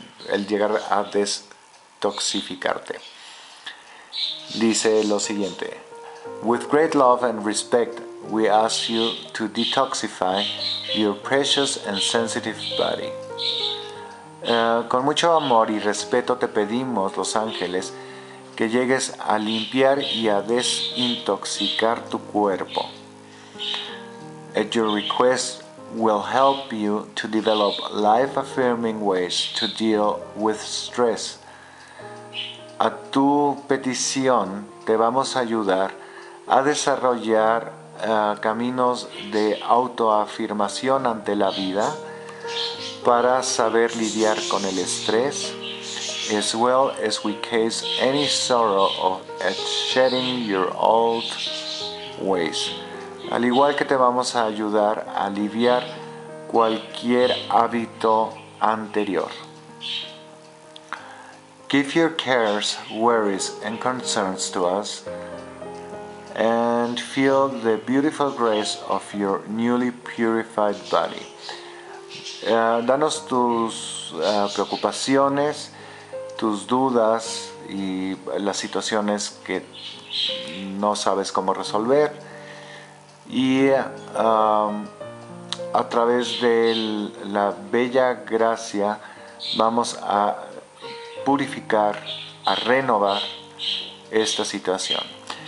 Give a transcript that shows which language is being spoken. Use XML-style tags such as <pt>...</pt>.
<es>El llegar a desintoxificarte. Dice lo siguiente:</es> <en>With great love and respect, we ask you to detoxify your precious and sensitive body.</en> <es>Con mucho amor y respeto te pedimos, los ángeles, que llegues a limpiar y a desintoxicar tu cuerpo.</es> <en>At your request, we'll help you to develop life-affirming ways to deal with stress.</en> <es>A tu petición, te vamos a ayudar a desarrollar caminos de autoafirmación ante la vida para saber lidiar con el estrés,</es> <en>as well as we case any sorrow at shedding your old ways.</en> <es>Al igual que te vamos a ayudar a aliviar cualquier hábito anterior.</es> <en>Give your cares, worries, and concerns to us, and feel the beautiful grace of your newly purified body.</en> <es>Danos tus preocupaciones, tus dudas y las situaciones que no sabes cómo resolver. Y a través de la bella gracia vamos a purificar, a renovar esta situación.</es>